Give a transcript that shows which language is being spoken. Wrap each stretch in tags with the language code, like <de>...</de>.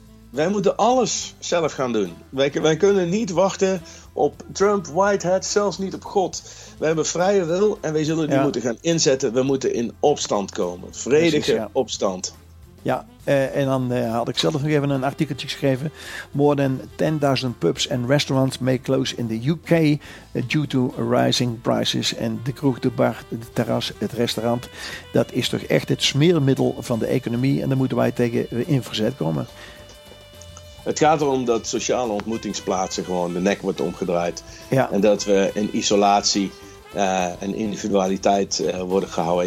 <nl>Wij moeten alles zelf gaan doen. Wij kunnen niet wachten op Trump, Whitehead, zelfs niet op God. We hebben vrije wil en wij zullen die moeten gaan inzetten. We moeten in opstand komen, vredige opstand. Ja, en dan had ik zelf nog even een artikeltje geschreven.</nl> <en>More than 10.000 pubs and restaurants may close in the UK due to rising prices.</en> <nl>En de kroeg, de bar, de terras, het restaurant, dat is toch echt het smeermiddel van de economie. En daar moeten wij tegen in verzet komen. Het gaat erom dat sociale ontmoetingsplaatsen gewoon de nek wordt omgedraaid. Ja. En dat we in isolatie en individualiteit worden gehouden.</nl>